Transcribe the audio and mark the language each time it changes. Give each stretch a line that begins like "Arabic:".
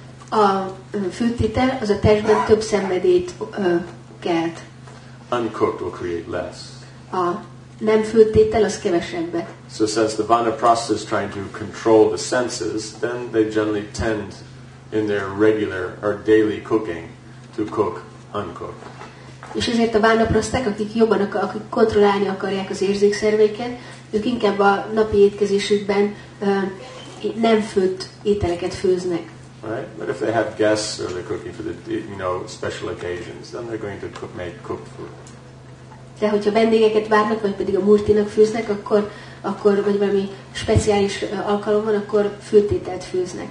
Hungarian: A főtétel az a testben több szenvedélyt kelt.
English: Uncooked will create less.
Hungarian: A nem főtétel az kevesebbet.
English: So since the vanaprastha is trying to control the senses, then they generally tend in their regular or daily cooking to cook uncooked.
Hungarian: És ezért a vanaprasták, akik jobban akik kontrollálni akarják az érzékszerveiket, ők inkább a napi étkezésükben nem főtt ételeket főznek.
English: Right, but if they have guests or they're cooking for the special occasions, then they're going to make cooked food.
Hungarian: De hogyha vendégeket várnak, vagy pedig a murtinak főznek, akkor vagy valami speciális alkalom van, akkor főtételt főznek.